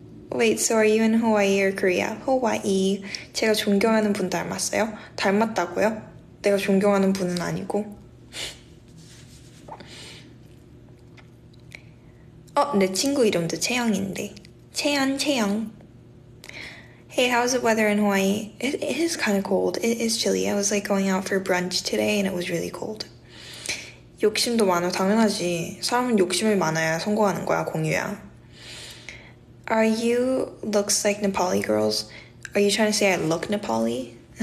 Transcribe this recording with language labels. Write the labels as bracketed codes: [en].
[en] Wait, so are you in Hawaii or Korea? Hawaii. [ko] 제가 존경하는 분 닮았어요? 닮았다고요? 내가 존경하는 분은 아니고. 어, 내 친구 이름도 채영인데. [en] 채연, 채영. Hey, how's the weather in Hawaii? It is kind of cold. It is chilly. I was like going out for brunch today and it was really cold. [ko] 욕심도 많아, 당연하지. 사람은 욕심이 많아야 성공하는 거야, 공유야. [en] Are you looks like Nepali girls? Are you trying to say I look Nepali?